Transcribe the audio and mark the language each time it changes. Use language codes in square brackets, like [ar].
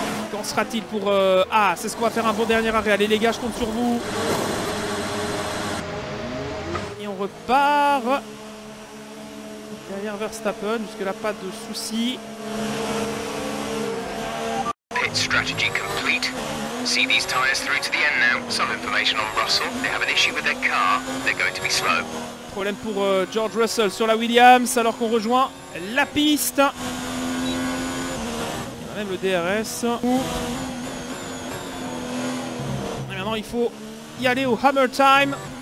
[fr] Qu'en sera-t-il pour... c'est ce qu'on va faire, un bon dernier arrêt. Allez les gars, je compte sur vous. Et on repart. Derrière Verstappen, jusque là pas de soucis. [en] Pit strategy complete. See these tires through to the end now. Some information on Russell. They have an issue with their car. They're going to be slow. [fr] Problème pour George Russell sur la Williams alors qu'on rejoint la piste. Il y a même le DRS. Et maintenant il faut y aller au Hammer Time.